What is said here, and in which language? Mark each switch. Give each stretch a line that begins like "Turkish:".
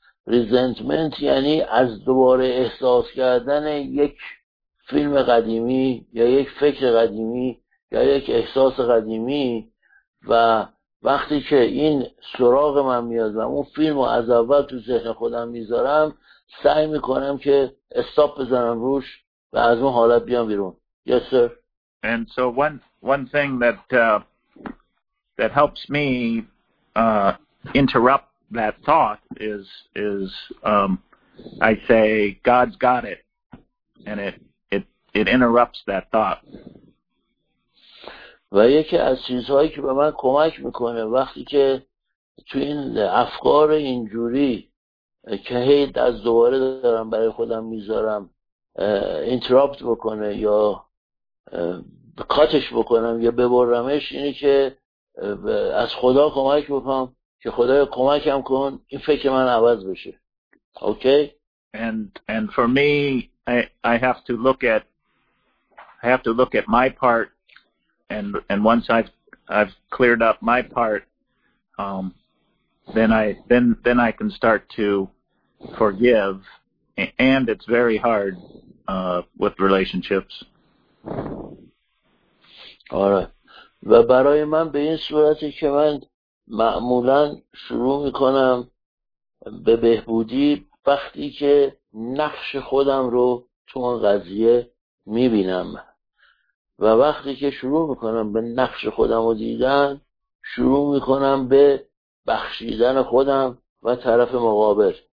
Persian: resentment یعنی از دوباره احساس کردن یک فیلم قدیمی یا یک فکر قدیمی یا یک احساس قدیمی و وقتی که این سراغ من میاد و اون فیلم رو از اول تو ذهن خودم میذارم سعی میکنم که استاپ بزنم روش و از اون حالت بیام بیرون.
English: Yes, sir. And so one thing that helps me interrupt that thought is I say God's got it, and it interrupts that thought.
Persian: و یکی از چیزهایی که به من کمک میکنه وقتی که تو این افکار اینجوری که هید از دوباره دارم برای خودم میذارم interrupt بکنه یا کاتش بکنم یا ببرمش اینه که از خدا کمک بکنم که خدا کمکم کن این فکر من عوض بشه.
English: Okay. And for me I have to look at my part and once I've cleared up my part then I can start to forgive, and it's very hard with relationships.
Persian: آره. و برای من به این صورتی که من معمولا شروع میکنم به بهبودی وقتی که نقش خودم رو تو اون قضیه میبینم و وقتی که شروع میکنم به نقش خودم رو دیدن شروع میکنم به بخشیدن خودم و طرف مقابل.